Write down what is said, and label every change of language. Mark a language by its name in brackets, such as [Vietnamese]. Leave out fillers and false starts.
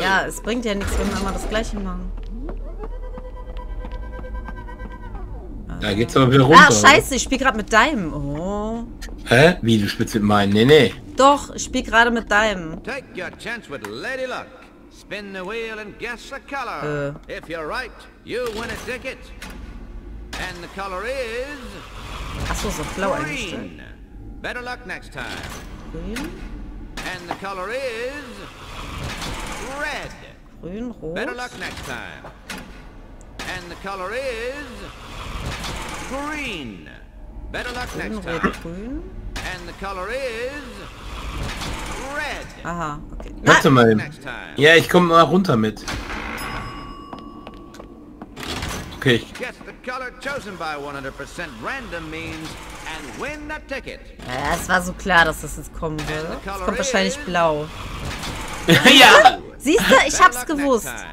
[German] Ja, es bringt ja nichts, wenn wir immer das gleiche machen. Da geht's aber wieder runter. Ah, scheiße, ich spiel grad mit deinem. Oh. Hä? Wie, du spielst mit meinem? Nee, nee. Doch, ich spiel gerade mit deinem. [English] Take your chance with Lady Luck. Spin the wheel and guess the color. If you're right, you win a ticket. And the color is... [German] Achso, so flau eigentlich. [English] Green. Better luck next time. Green. And the color is... Red. [German] Grün, rot. [English] Better luck next time. And the color is... Green. Better luck [German] grün, [English] next [German] rot, [English] time. [German] Grün. [English] And the color is... Red. [German] Aha, okay. Na, warte mal. Ja, ich komme mal runter mit. Okay. [English] Guess the color chosen by 100% random means and win the ticket. [German] Ja, es war so klar, dass das jetzt kommen will. Es kommt wahrscheinlich blau. Ja! Siehst du, ich hab's gewusst.